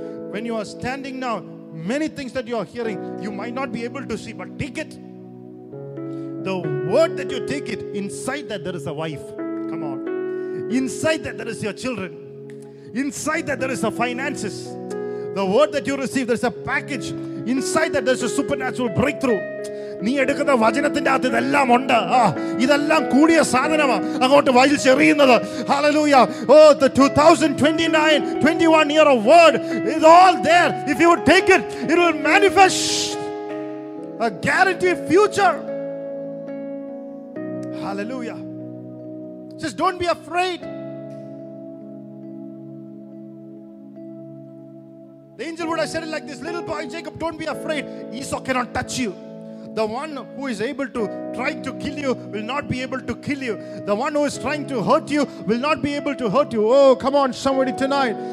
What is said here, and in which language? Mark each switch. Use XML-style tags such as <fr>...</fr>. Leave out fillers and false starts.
<en>When you are standing now, many things that you are hearing, you might not be able to see, but take it. The word that you take it, inside that there is a wife. Come on. Inside that there is your children. Inside that there is a finances. The word that you receive, there is a package. Inside that there is a supernatural breakthrough.</en> <ml>നീ എടുക്കുന്ന വചനത്തിന്റെ അകത്ത് ഇതെല്ലാം ഉണ്ട്. ആ ഇതെല്ലാം കൂടിയ സാധനമാണ് അങ്ങോട്ട് വയിൽ ചെറിയുന്നത്. Hallelujah.</ml> <en>Oh the 2029-21 year of word is all there. If you would take it, it will manifest a guarantee future. Hallelujah. Just don't be afraid. The angel would have said like this little boy Jacob, don't be afraid. Esau cannot touch you. The one who is able to try to kill you will not be able to kill you. The one who is trying to hurt you will not be able to hurt you. Oh, come on, somebody tonight.</en>